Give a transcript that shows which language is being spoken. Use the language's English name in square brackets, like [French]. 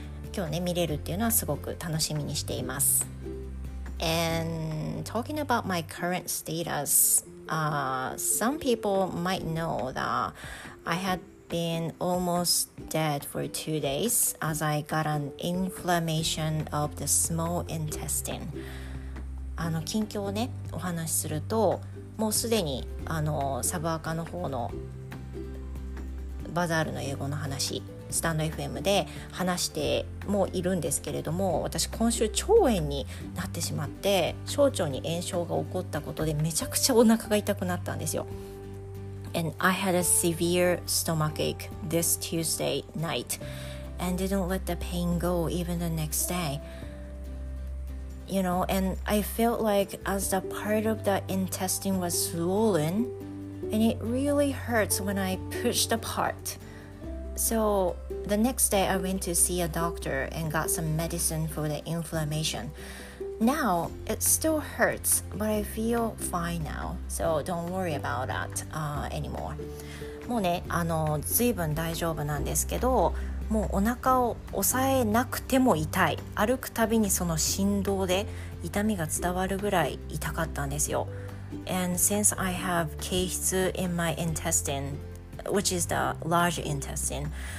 [Japanese] 今日ね、見れるっていうのはすごく楽しみにしています。 [English] And talking about my current status, some people might know that I had been almost dead for 2 days as I got an inflammation of the small intestine. [Japanese] 近況をね、お話しすると、もうすでにサブアカの方のバザールの英語の話スタンド FM で話してもいるんですけれども、私今週腸炎になってしまって、小腸に炎症が起こったことでめちゃくちゃお腹が痛くなったんですよ。 [English] And I had a severe stomachache this Tuesday night and didn't let the pain go even the next day. You know, and I felt like as the part of the intestine was swollen and it really hurts when I pushed apartSo, the next day I went to see a doctor and got some medicine for the inflammation. Now, it still hurts, but I feel fine now. So, don't worry about that anymore. [Japanese] もうね、随分大丈夫なんですけど、もうお腹を抑えなくても痛い。歩くたびにその振動で痛みが伝わるぐらい痛かったんですよ。 [English] And since I have 憩室 in my intestine,which is the large intestine.